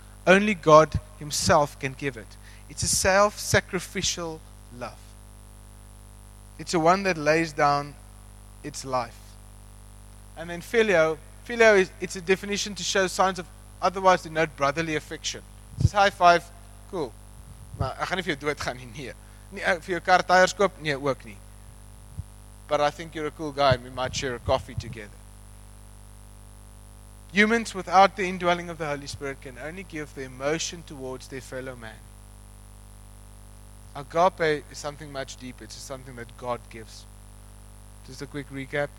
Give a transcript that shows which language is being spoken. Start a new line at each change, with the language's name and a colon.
English: Only God himself can give it. It's a self-sacrificial love. It's a one that lays down its life. And then filio is, it's a definition to show signs of otherwise denote brotherly affection. It says high five, cool.
Afrikaans: Maar ek gaan nie vir jou dood gaan nie. Nee, vir jou kar tyres koop, nee, ook nie.
English: But I think you're a cool guy and we might share a coffee together. Humans without the indwelling of the Holy Spirit can only give the emotion towards their fellow man. Agape is something much deeper. It's something that God gives. Just a quick recap.